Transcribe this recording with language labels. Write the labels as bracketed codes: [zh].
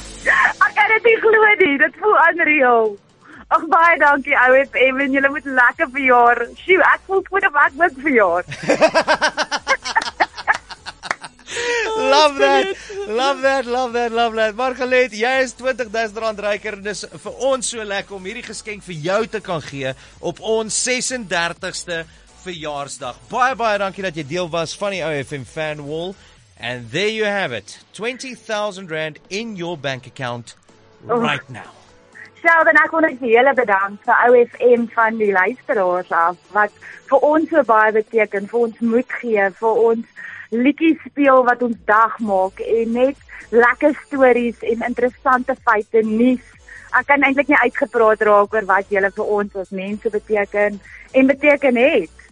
[af] Ek kan dit nie glo nie, dit voel unreal. Ach, baie dankie, ouwe FM, en julle moet lekker verjaar. Sjoe, ek voel goed of ek moet verjaar. [en] Love that, love that, love that, love that. [af] Margalit, jy is 20,000 rand ryker, en is vir ons so lekker om hierdie geskenk vir jou te kan gee op ons 36ste verjaarsdag. Baie, baie dankie dat jy deel was van die ouwe FM fan wall. [en] And there you have it. 20,000 rand in your bank account right now. [af] Sheldon, ek wil net die hele bedank vir OFM van die luisteraars af, wat vir ons so baie beteken, vir ons moed gee, vir ons liedjies speel wat ons dag maak, en net lekker stories en interessante feite nuus. Ek kan eintlik nie uitgepraat raak oor wat julle vir ons as mense beteken, en beteken het.